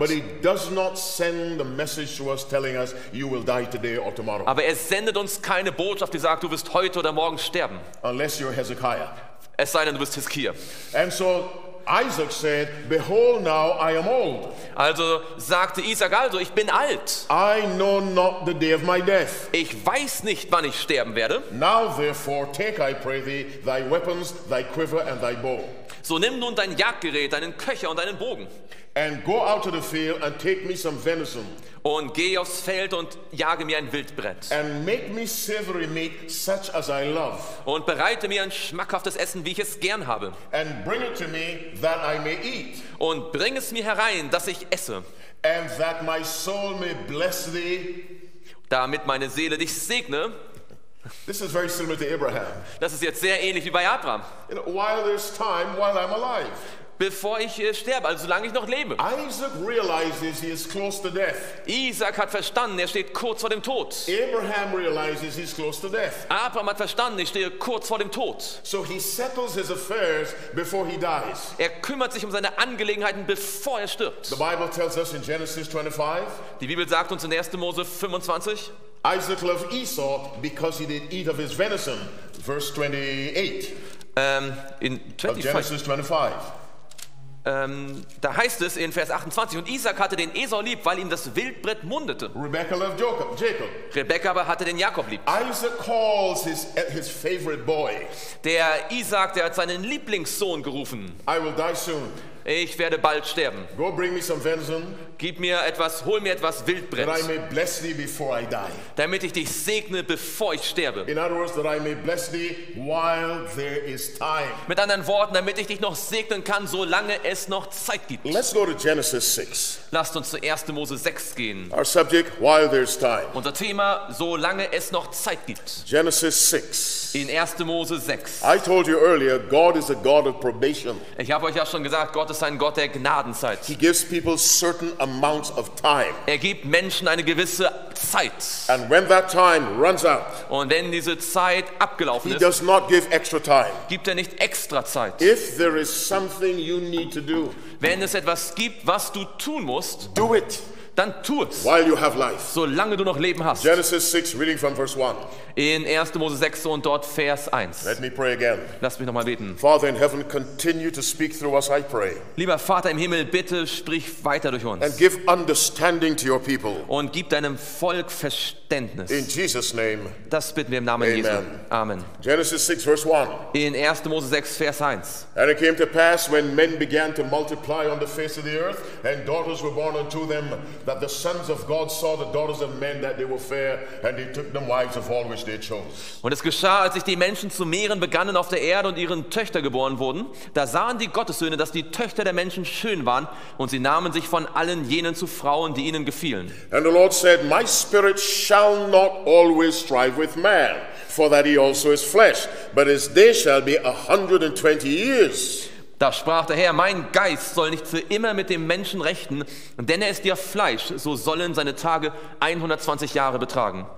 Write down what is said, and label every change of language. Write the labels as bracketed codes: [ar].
[en] But he does not send the message to us telling us you will die today or tomorrow. [de] Aber er sendet uns keine Botschaft, die sagt, du wirst heute oder morgen sterben. [en] Unless you're Hezekiah. [de] Es sei denn, du bist Hiskia. [en] And so Isaac said, behold, now I am old. [de] Also sagte Isaac, also ich bin alt. [en] I know not the day of my death. [de] Ich weiß nicht, wann ich sterben werde. [en] Now therefore take, I pray thee, thy weapons, thy quiver and thy bow. [de] So nimm nun dein Jagdgerät, deinen Köcher und deinen Bogen. [en] And go out to the field and take me some venison. [de] Und geh aufs Feld und jage mir ein Wildbret. [en] And make me savory meat such as I love. [de] Und bereite mir ein schmackhaftes Essen, wie ich es gern habe. [en] And bring it to me that I may eat. [de] Und bring es mir herein, dass ich esse. [en] And that my soul may bless thee. [de] Damit meine Seele dich segne. [en] This is very similar to Abraham. [de] Das ist jetzt sehr ähnlich wie bei Abraham. [en] You know, while there's time, while I'm alive. [de] Bevor ich sterbe, also solange ich noch lebe. [en] Isaac realizes he is close to death. [de] Isaac hat verstanden, er steht kurz vor dem Tod. [en] Abraham realizes he's close to death. [de] Abraham hat verstanden, ich stehe kurz vor dem Tod. [en] So he settles his affairs before he dies. [de] Er kümmert sich um seine Angelegenheiten, bevor er stirbt. [en] The Bible tells us in Genesis 25. [de] Die Bibel sagt uns in 1. Mose 25. [en] Isaac loved Esau because he did eat of his venison. Verse 28. In 25. Of Genesis 25. [de] Da heißt es in Vers 28, und Isaac hatte den Esau lieb, weil ihm das Wildbret mundete. [en] Rebecca loved Jacob. [de] Rebecca aber hatte den Jakob lieb. [en] Isaac calls his favorite boy. [de] Der Isaac, der hat seinen Lieblingssohn gerufen. [en] I will die soon. [de] Ich werde bald sterben. [en] Go bring me some venison. [de] Gib mir etwas, hol mir etwas Wildbret. [en] That I may bless thee before I die. [de] Damit ich dich segne, bevor ich sterbe. [en] In other words, that I may bless thee while there is time. [de] Mit anderen Worten, damit ich dich noch segnen kann, solange es noch Zeit gibt. [en] Let's go to Genesis 6. [de] Lasst uns zu 1. Mose 6 gehen. [en] Our subject, while there's time. [de] Unser Thema, solange es noch Zeit gibt. [en] Genesis 6. [de] In 1. Mose 6. [en] I told you earlier, God is a God of probation. [de] Ich habe euch ja schon gesagt, Gott ist ein Gott der Gnadenzeit. [en] He gives people certain amounts of time. [de] Er gibt Menschen eine gewisse Zeit. [en] And when that time runs out, [de] und wenn diese Zeit abgelaufen ist, [en] he does not give extra time. [de] Gibt er nicht extra Zeit. [en] If there is something you need to do, [de] wenn es etwas gibt, was du tun musst, [en] do it. [de] dann tu's. [en] While you have life. [de] Solange du noch Leben hast. [en] Genesis 6, reading from verse 1. [de] In 1. Mose 6 und dort Vers 1. [en] Let me pray again. [de] Lass mich nochmal beten. [en] Father in heaven, continue to speak through us, I pray. [de] Lieber Vater im Himmel, bitte sprich weiter durch uns. [en] And give understanding to your people. [de] Und gib deinem Volk Verständnis. [en] In Jesus' name. [de] Das bitten wir im Namen Jesu. Amen. [en] Genesis 6, verse 1. [de] In 1. Mose 6, Vers 1. [en] And it came to pass when men began to multiply on the face of the earth and daughters were born unto them, that the sons of God saw the daughters of men that they were fair, and they took them wives of all which they chose. [de] Und es geschah, als sich die Menschen zu mehren begannen auf der Erde und ihren Töchter geboren wurden, da sahen die Gottessöhne, dass die Töchter der Menschen schön waren, und sie nahmen sich von allen jenen zu Frauen, die ihnen gefielen. [en] And the Lord said, my spirit shall not always strive with man, for that he also is flesh, but his day shall be 120 years. [de] Da sprach der Herr, mein Geist soll nicht für immer mit dem Menschen rechten, denn er ist ihr Fleisch, so sollen seine Tage 120 Jahre betragen.